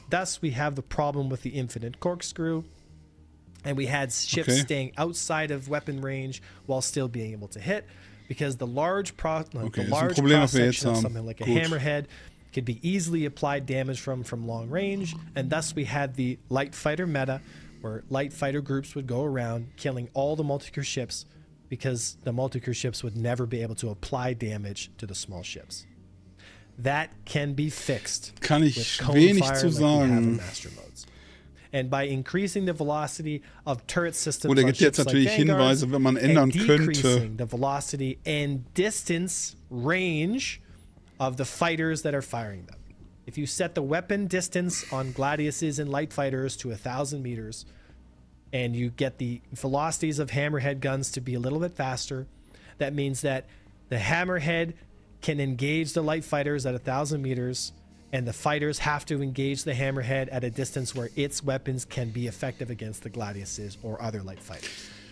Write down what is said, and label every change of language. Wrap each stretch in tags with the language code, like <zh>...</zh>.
<en>Thus, we have the problem with the infinite corkscrew, and we had ships staying outside of weapon range while still being able to hit, because the large cross-section of something like a hammerhead could be easily applied damage from long range, and thus we had the light fighter meta, where light fighter groups would go around killing all the multi-crew ships, because the multi-crew ships would never be able to apply damage to the small ships. That can be fixed.</en> <de>Kann ich wenig zu sagen.</de> <en>And by increasing the velocity of turret systems,</en> <de>oder gibt jetzt natürlich Hinweise, wenn man ändern könnte,</de> <en>the velocity and distance range of the fighters that are firing them. If you set the weapon distance on Gladiuses and light fighters to 1,000 meters, and you get the velocities of hammerhead guns to be a little bit faster, that means that the hammerhead can engage the light fighters at 1,000 meters, and the fighters have to engage the hammerhead at a distance where its weapons can be effective against the Gladiuses or other light fighters.</en>